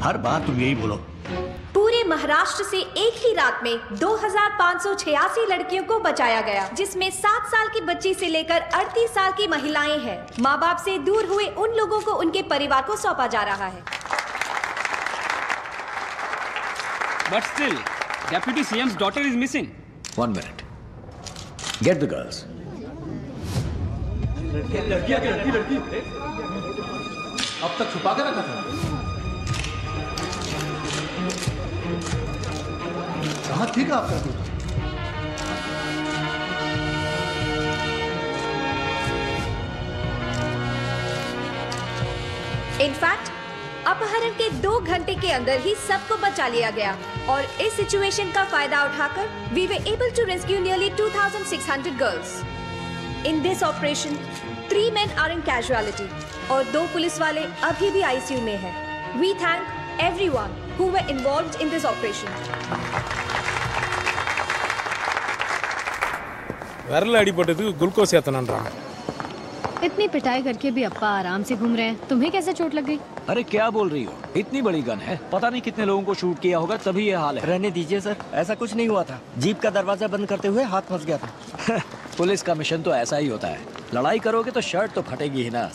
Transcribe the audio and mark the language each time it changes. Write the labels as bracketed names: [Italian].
[Hindi] हर बार तुम यही बोलो। पूरे महाराष्ट्र से एक ही रात में 2586 लड़कियों को बचाया गया, जिसमें 7 साल की बच्ची से लेकर 38 साल की महिलाएं हैं। माँ बाप से दूर हुए उन लोगों को उनके परिवार को सौंपा जा रहा है। [English] But still, Deputy CM's daughter is missing. One minute. Get the girls. [Hindi] अब तक छुपा कर रखा था। कहाँ थी का आपका दूध? इनफैक्ट अपहरण के 2 घंटे के अंदर ही सबको बचा लिया गया और इस सिचुएशन का फायदा उठाकर [English] We were able to rescue nearly 2600 girls. In this operation 3 men are in casualty [Hindi] और 2 पुलिस वाले अभी भी आईसीयू में हैं। [English] We thank everyone who were involved in this operation. [Tamil] வரல அடிபட்டது குளுக்கோஸ் ஏத்தனான்றாங்க. [Hindi] इतनी पिटाई करके भी अप्पा आराम से घूम रहे हैं, तुम्हें कैसे चोट लग गई? अरे क्या बोल रही हो, इतनी बड़ी गन है, पता नहीं कितने लोगों को शूट किया होगा तभी ये हाल है। रहने दीजिए सर, ऐसा कुछ नहीं हुआ था, जीप का दरवाजा बंद करते हुए हाथ फंस गया था। पुलिस का मिशन तो ऐसा ही होता है, लड़ाई करोगे तो शर्ट तो फटेगी ही ना।